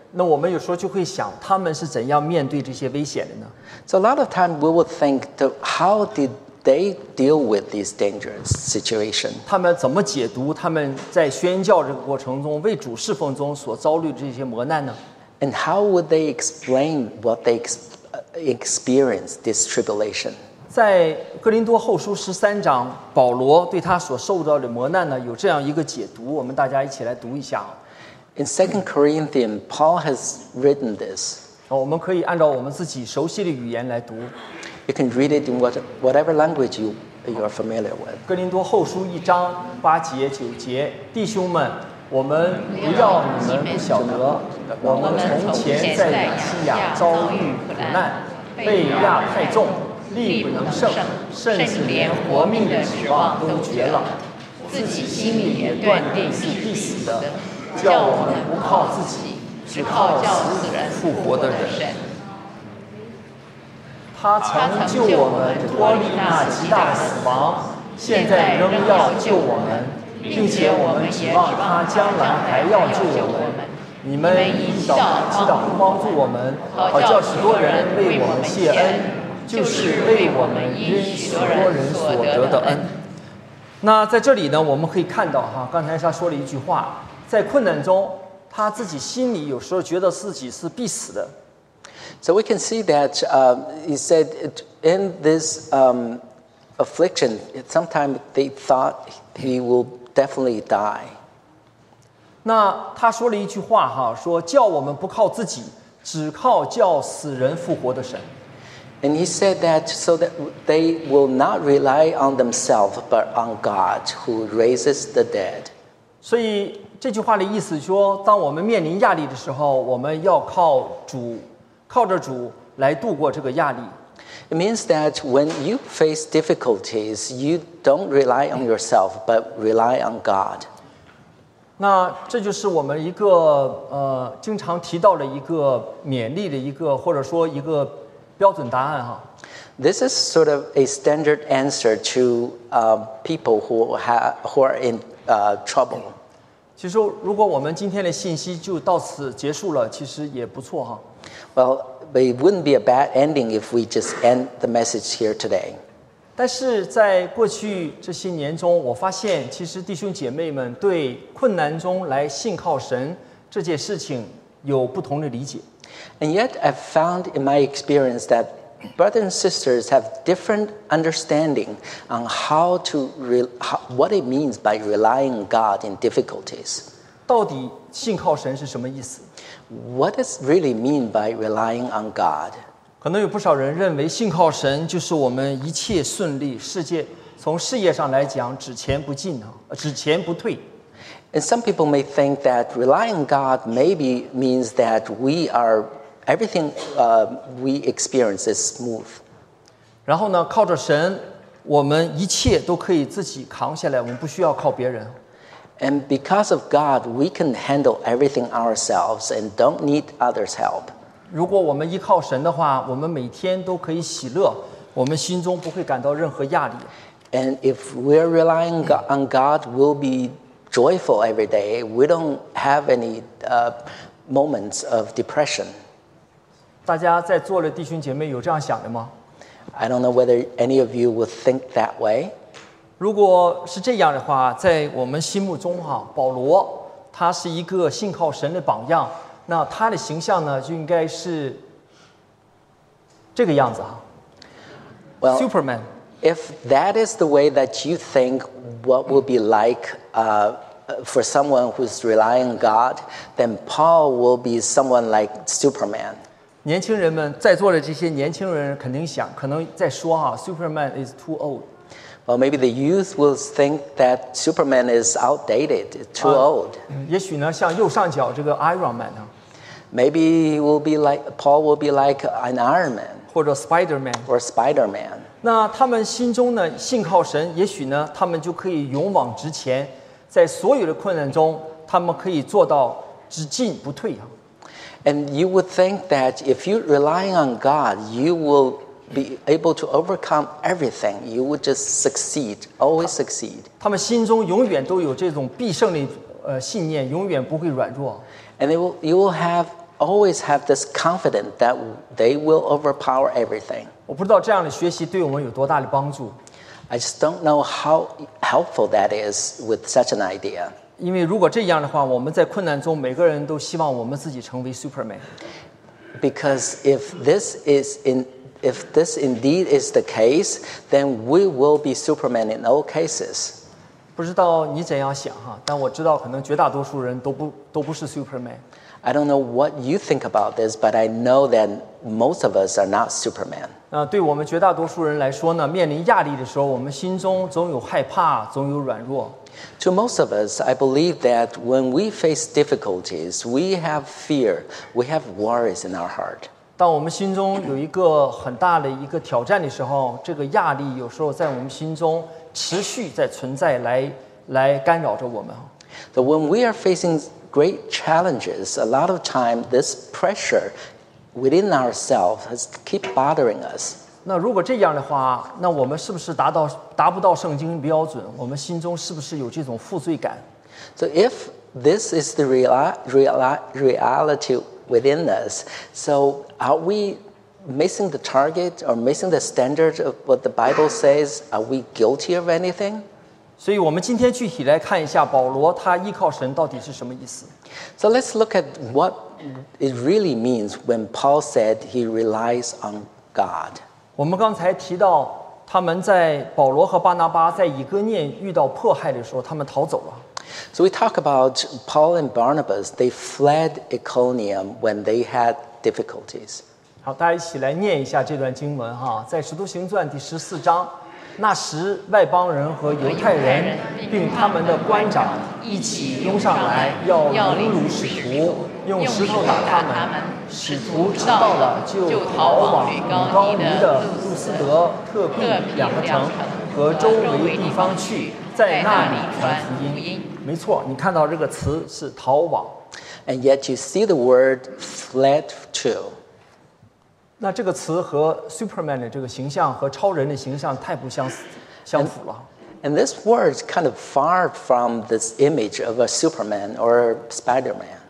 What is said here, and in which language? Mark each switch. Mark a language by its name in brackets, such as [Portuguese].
[Chinese] 那我们有时候就会想，他们是怎样面对这些危险的呢？ [English] So a lot of time we would think, how did they deal with these dangerous situations? [Chinese] 他们怎么解读他们在宣教这个过程中，为主侍奉中所遭遇的这些磨难呢？ [English] And how would they explain what they experience this tribulation? [Chinese] 在哥林多后书十三章，保罗对他所受到的磨难呢，有这样一个解读，我们大家一起来读一下。 [English] In 2 Corinthians, Paul has written this. [Chinese] 我们可以按照我们自己熟悉的语言来读。 [English] You can read it in whatever language you are familiar with. [Chinese] 哥林多后书一章八节九节，弟兄们，我们不要你们不晓得，我们从前在亚细亚遭遇苦难，被压太重，力不能胜，甚至连活命的指望都绝了，自己心里也断定是必死的，叫我们不靠自己，只靠死里复活的人。他曾救我们脱离那极大的死亡，现在仍要救我们，并且我们指望他将来还要救我们。你们知道帮助我们，好叫许多人为我们谢恩，就是为我们因许多人所得的恩。那在这里呢，我们可以看到哈，刚才他说了一句话，在困难中他自己心里有时候觉得自己是必死的。 [English] So we can see that he said in this affliction sometimes they thought he will definitely die. [Chinese] 那他说了一句话哈，说叫我们不靠自己，只靠叫死人复活的神。 [English] And he said that so that they will not rely on themselves but on God who raises the dead. [Chinese] 所以这句话的意思说，当我们面临压力的时候，我们要靠主，靠着主来度过这个压力。 [English] It means that when you face difficulties, you don't rely on yourself, but rely on God. [Chinese] 那这就是我们一个经常提到的一个勉励的一个或者说一个标准答案哈。 [English] This is sort of a standard answer to people who are in trouble. [Chinese] 其实如果我们今天的信息就到此结束了，其实也不错哈。 [English] Well,But it wouldn't be a bad ending if we just end the message here today. [Chinese] 但是在过去这些年中，我发现其实弟兄姐妹们对困难中来信靠神这件事情有不同的理解。 [English] And yet I found in my experience that brothers and sisters have different understanding on what it means by relying on God in difficulties. [Chinese] 到底信靠神是什么意思？ [English] What does really mean by relying on God? [Chinese] 可能有不少人认为信靠神就是我们一切顺利，世界从事业上来讲只前不进，只前不退。 [English] And some people may think that relying on God maybe means that everything we experience is smooth. [Chinese] 然后呢，靠着神，我们一切都可以自己扛下来，我们不需要靠别人。 [English] And because of God, we can handle everything ourselves and don't need others' help. [Chinese] 如果我们依靠神的话，我们每天都可以喜乐，我们心中不会感到任何压力。 [English] And if we're relying on God, we'll be joyful every day. We don't have any moments of depression. [Chinese] 大家在座的弟兄姐妹有这样想的吗？ [English] I don't know whether any of you would think that way. [Chinese] 如果是这样的话，在我们心目中哈，保罗他是一个信靠神的榜样，那他的形象呢就应该是这个样子哈。 [English] Well, Superman. If that is the way that you think what will be like for someone who's relying on God, then Paul will be someone like Superman. [Chinese] 年轻人们在座的这些年轻人肯定想，可能在说哈 ， [English] Superman is too old。 Well, maybe the youth will think that Superman is outdated, too old. [Chinese] 也许呢，像右上角这个 Iron Man 呢 [English] ？Maybe will be like Paul will be like an Iron Man. [Chinese] 或者 Spider-Man. [English] Or Spider-Man. [Chinese] 那他们心中呢，信靠神，也许呢，他们就可以勇往直前，在所有的困难中，他们可以做到只进不退啊。 [English] And you would think that if you rely on God, you will be able to overcome everything. You would just succeed, always succeed. [Chinese] 他们心中永远都有这种必胜的信念，永远不会软弱。 [English] And you will always have this confidence that they will overpower everything. [Chinese] 我不知道这样的学习对我们有多大的帮助。 [English] I just don't know how helpful that is with such an idea. [Chinese] 因为如果这样的话，我们在困难中，每个人都希望我们自己成为 Superman。 [English] Because if this indeed is the case, then we will be Superman in all cases. [Chinese] 不知道你怎样想哈，但我知道可能绝大多数人都不是 Superman。 [English] I don't know what you think about this, but I know that most of us are not Superman. [Chinese] 对我们绝大多数人来说呢，面临压力的时候，我们心中总有害怕，总有软弱。 [English] To most of us, I believe that when we face difficulties, we have fear, we have worries in our heart. [Chinese] 当我们心中有一个很大的一个挑战的时候，这个压力有时候在我们心中持续在存在，来干扰着我们。 [English] So when we are facing great challenges, a lot of time this pressure within ourselves has keep bothering us. [Chinese] 那如果这样的话，那我们是不是达不到圣经标准？我们心中是不是有这种负罪感 [English] ？So if this is the reality within us, so are we missing the target or missing the standard of what the Bible says? Are we guilty of anything? [Chinese] 所以我们今天具体来看一下保罗他依靠神到底是什么意思。 [English] So let's look at what it really means when Paul said he relies on God. [Chinese] 我们刚才提到，他们在保罗和巴拿巴在以哥念遇到迫害的时候，他们逃走了。 [English] So we talk about Paul and Barnabas. They fled Iconium when they had difficulties. [Chinese] 好，大家一起来念一下这段经文哈，在《使徒行传》第十四章，那时外邦人和犹太人并他们的官长一起拥上来，要侮辱使徒，用石头打他们。使徒知道了，就逃往吕高尼的路斯德、特庇两个城和周围地方去，在那里传福音。没错，你看到这个词是逃往。 [English] And yet you see the word fled to. [Chinese] 那这个词和 Superman 的这个形象和超人的形象太不相符了。 [English] And this word is kind of far from this image of a Superman or Spider-Man.